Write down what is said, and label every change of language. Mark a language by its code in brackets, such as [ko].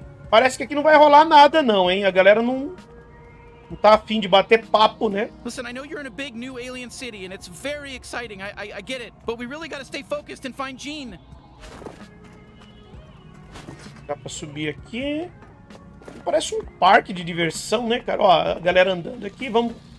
[pt] Parece que aqui não vai rolar nada não, hein? A galera não... Não tá afim de bater papo, né? [en] Listen, I know you're in a big new alien city and it's very exciting. I get it. But we really gotta stay focused and find Gene. [pt] Dá pra subir aqui. Parece um parque de diversão, né, cara? Ó, a galera andando aqui, vamos...